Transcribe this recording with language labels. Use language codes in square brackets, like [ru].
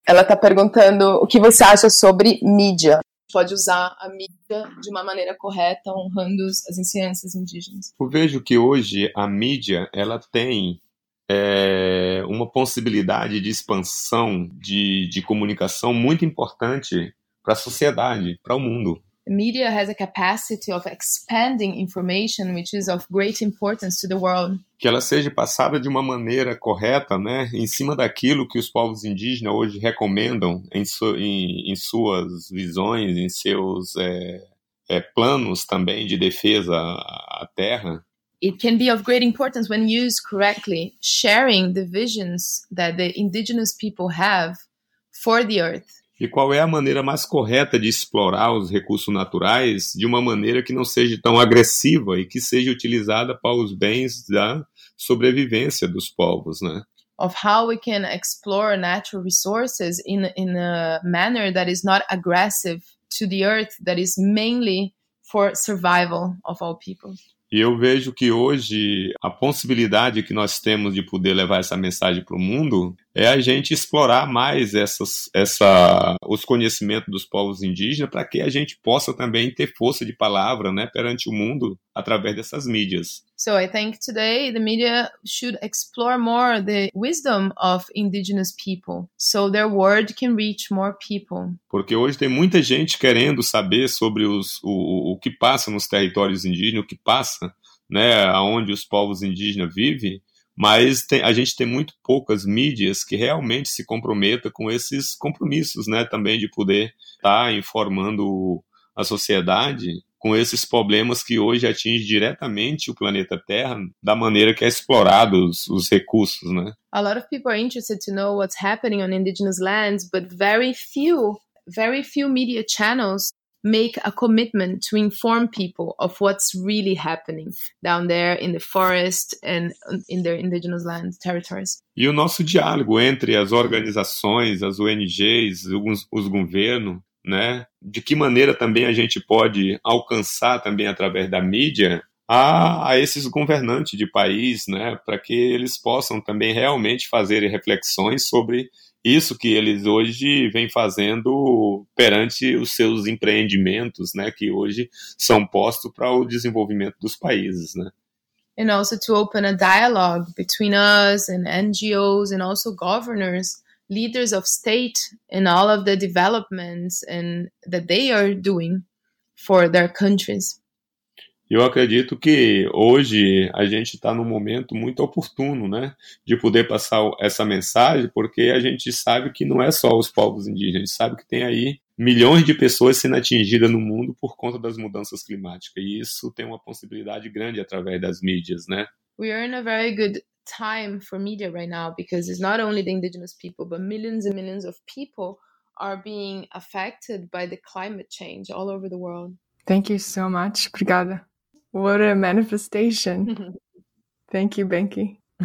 [pt] Ela está perguntando o que você acha sobre mídia. Pode usar a mídia de uma maneira correta, honrando as ensinanças indígenas. Eu vejo que hoje a mídia, ela tem uma possibilidade de expansão de comunicação muito importante para a sociedade, para o mundo. [en] Media has a capacity of expanding information, which is of great importance to the world. [pt] Que ela seja passada de uma maneira correta, né, em cima daquilo que os povos indígenas hoje recomendam em suas visões, em seus planos também de defesa à terra. [en] It can be of great importance when used correctly, sharing the visions that the indigenous people have for the earth. [pt] E qual é a maneira mais correta de explorar os recursos naturais de uma maneira que não seja tão agressiva e que seja utilizada para os bens da sobrevivência dos povos, né? [en] Of how we can explore natural resources in a manner that is not aggressive to the earth, that is mainly for survival of all people. [pt] E eu vejo que hoje a possibilidade que nós temos de poder levar essa mensagem para o mundo é a gente explorar mais os conhecimentos dos povos indígenas para que a gente possa também ter força de palavra, né, perante o mundo através dessas mídias. [en] So I think today the media should explore more the wisdom of indigenous people so their word can reach more people. [pt] Porque hoje tem muita gente querendo saber sobre o que passa nos territórios indígenas, o que passa, né, aonde os povos indígenas vivem. Mas a gente tem muito poucas mídias que realmente se comprometam com esses compromissos, né, também de poder estar informando a sociedade com esses problemas que hoje atingem diretamente o planeta Terra da maneira que é explorado os recursos, né? [en] A lot of people are interested to know what's happening on indigenous lands, but very few media channels make a commitment to inform people of what's really happening down there in the forest and in their indigenous land territories. [pt] E o nosso diálogo entre as organizações, as ONGs, os governos, né? De que maneira também a gente pode alcançar também através da mídia a esses governantes de país, né? Para que eles possam também realmente fazer reflexões sobre isso que eles hoje vêm fazendo perante os seus empreendimentos, né, que hoje são postos para o desenvolvimento dos países, né? [en] And also to open a dialogue between us and NGOs and also governors, leaders of state, and all of the developments and that they are doing for their countries. [pt] Eu acredito que hoje a gente está num momento muito oportuno, né, de poder passar essa mensagem, porque a gente sabe que não é só os povos indígenas, a gente sabe que tem aí milhões de pessoas sendo atingidas no mundo por conta das mudanças climáticas, e isso tem uma possibilidade grande através das mídias, né? [en] We are in a very good time for media right now, because it's not only the indigenous people, but millions and millions of people are being affected by the climate change all over the world. Thank you so much. [pt] Obrigada. [en] What a manifestation. Thank you, Benki.